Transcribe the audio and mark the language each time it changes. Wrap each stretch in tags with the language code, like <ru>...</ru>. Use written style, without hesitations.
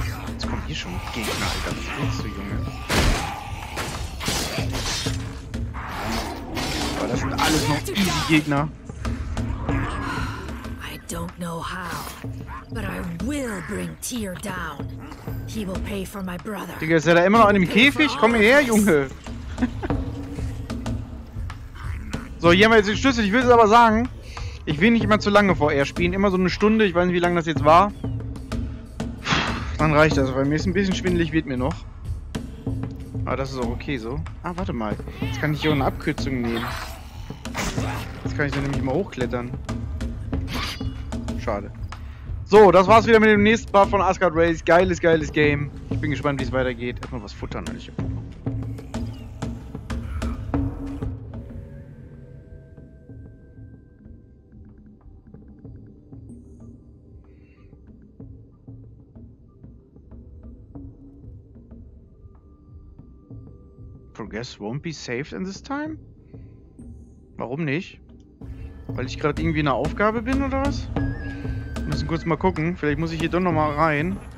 <de>Jetzt kommen hier schon Gegner, Alter. Was willst du, Junge? Aber das sind alles noch easy Gegner.</de> <en>Don't know how, but I will bring Tyr down. He will pay for my brother.</en> <de>Digga, ist er da immer noch an dem Käfig? Komm her, Junge. So, hier haben wir jetzt den Schlüssel. Ich will es aber sagen, ich will nicht immer zu lange vorher spielen. Immer so eine Stunde. Ich weiß nicht, wie lange das jetzt war. Dann reicht das. Weil mir ist ein bisschen schwindelig, wird mir noch. Aber das ist auch okay so. Ah, warte mal. Jetzt kann ich hier eine Abkürzung nehmen. Jetzt kann ich dann nämlich mal hochklettern. Schade. So, das war's wieder mit dem nächsten Part von Asgard Race. Geiles, geiles Game. Ich bin gespannt, wie es weitergeht. Erstmal was futtern, wenn ich hier gucke.</de> <en>Progress won't be saved in this time?</en> <de>Warum nicht? Weil ich gerade irgendwie in einer Aufgabe bin oder was? Müssen kurz mal gucken. Vielleicht muss ich hier doch noch mal rein.</de>